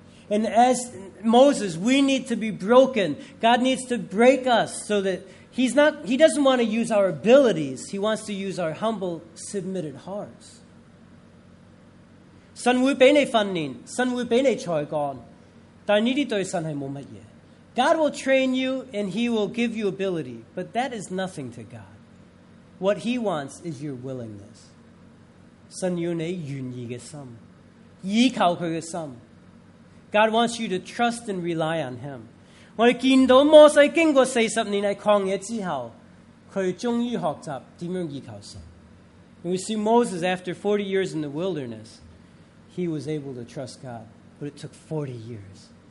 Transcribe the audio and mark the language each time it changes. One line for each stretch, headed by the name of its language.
English: And as Moses, we need to be broken. God needs to break us so that he doesn't want to use our abilities. He wants to use our humble, submitted hearts.
Chinese: 神会给你训练，神会给你才干，但你的对神是没什么。
English: God will train you and he will give you ability, but that is nothing to God. What he wants is your willingness.
Chinese: 神要你愿意的心，依靠他的心。
English: God wants you to trust and rely on him.
Chinese: 我们看到摩西经过40年在旷野之后，他终于学习怎样依靠神。
English: And we see Moses, after 40 years in the wilderness, he was able to trust God, but it took 40 years.